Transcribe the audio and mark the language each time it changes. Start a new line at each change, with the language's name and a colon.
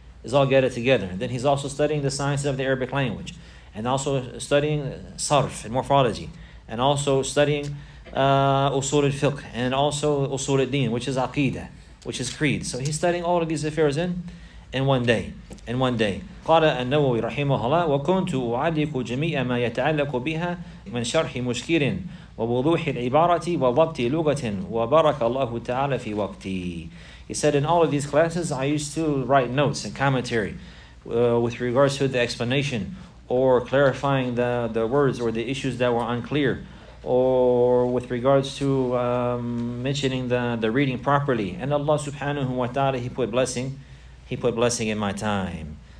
English: And then he's also studying the sciences of the Arabic language, and also studying sarf and morphology, and also studying usul al-fiqh, and also usul al-din, which is aqidah, which is creed. So he's studying all of these affairs in one day.
Arabic: قال النووي رحمه الله وكنت أعلق جميع ما يتعلق بها من شرح مشكير ووضوح العبارة وضبط لغة وبارك الله تعالى في وقتي.
English: He said, in all of these classes, I used to write notes and commentary with regards to the explanation or clarifying the words or the issues that were unclear, or with regards to mentioning the reading properly. And Allah subhanahu wa ta'ala, He put blessing in my time.